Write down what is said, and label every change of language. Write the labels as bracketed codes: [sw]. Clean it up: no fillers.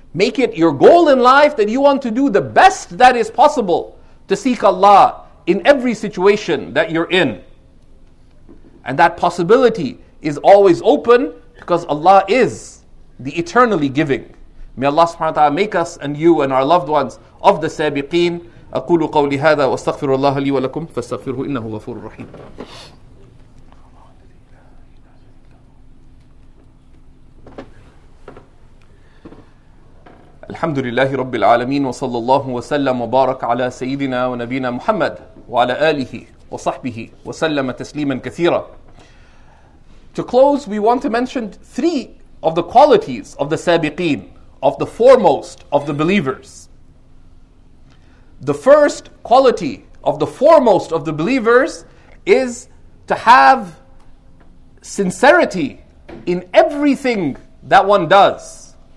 [en] Make it your goal in life that you want to do the best that is possible to seek Allah in every situation that you're in. And that possibility is always open because Allah is the eternally giving. May Allah subhanahu wa ta'ala make us and you and our loved ones of the sabiqeen. [ar] أقول قولي هذا واستغفر الله لي ولكم فاستغفره إنه غفور رحيم الحمد لله رب العالمين وصلى الله وسلم وبارك على سيدنا ونبينا محمد وعلى آله وصحبه وسلم تسليما كثيرا [en] To close, we want to mention three of the qualities of the sabiqeen, of the foremost of the believers. The first quality of the foremost of the believers is to have sincerity in everything that one does.